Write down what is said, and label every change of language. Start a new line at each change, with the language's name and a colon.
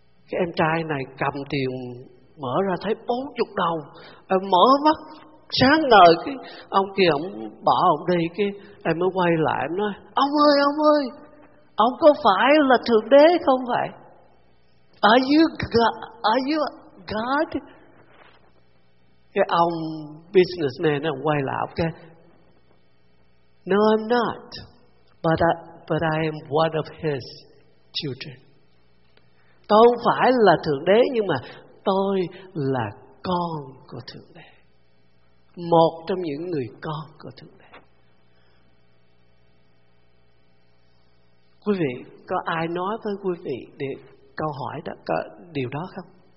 Vietnamese: Cái em trai này cầm tiền mở ra thấy 40 đồng. Em mở mắt sáng ngời, cái ông kia ông bỏ ông đi. Cái em mới quay lại, em nói, ông ơi, ông có phải là Thượng Đế không vậy?
English: Are you God?
Vietnamese: Cái ông businessman ông quay lại,
English: ok, no I'm not, but I am one of his children.
Vietnamese: Tôi không phải là Thượng Đế, nhưng mà tôi là con của Thượng Đế. Một trong những người con của Thượng Đế. Quý vị, có ai nói với quý vị để câu hỏi đó, có điều đó không?